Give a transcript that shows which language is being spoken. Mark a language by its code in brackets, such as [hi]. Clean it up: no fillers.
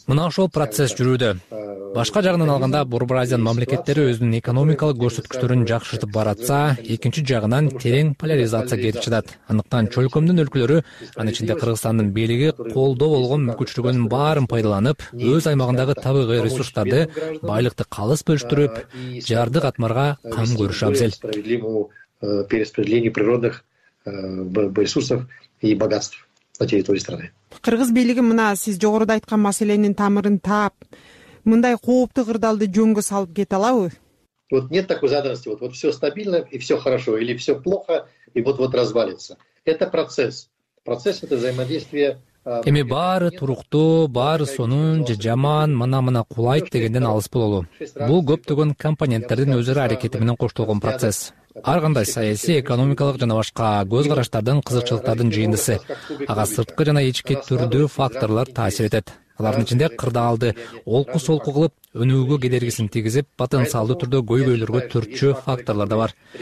[ky] Мына ошол процесс жүрүүдө. Башка жагынан алганда, Бурбразиянын мамлекеттери өзүнүн экономикалык көрсөткүчтөрүн жакшыртып баратса, экинчи жагынан терең поляризация келип чыгат. Андыктан чөлкөмдүн өлкөлөрү, анын ичинде Кыргызстандын бийлиги колдо болгон мүмкүнчүлүгүн баарын пайдаланып, өз аймагындагы табыгый ресурстарды, байлыкты калыс бөлүштүрүп, жардык атмарга кам көрүшү абзел. [ru] Перераспределение природных ресурсов и богатств на территории страны. [ky] Кыргыз бийлиги мына сиз жогоруда айткан маселенин тамырын таап, мындай кооптуу кырдаалды жөнгө салып кете алабы? [ru] Вот нет такой заданности, вот все стабильно и все хорошо, или все плохо, и вот развалится. Это процесс. Процесс это взаимодействие. [ky] Эми баары туруктуу, баары сонун же жаман, мына-мына кулайт дегенден алыс бололу. Бул көптөгөн компоненттердин өз ара аракети менен коштолгон процесс. Ар кандай саясий, экономикалык жана башка көз караштардын кызыкчылыктардын жыйындысы. Ага сырткы жана ички түрдүү факторлор таасир этет. Алардын ичинде кырдаалды олку-солку кылып, өнүгүүгө кедергисин тийгизип, потенциалдуу түрдө көйгөйлөргө түрчү факторлор да бар.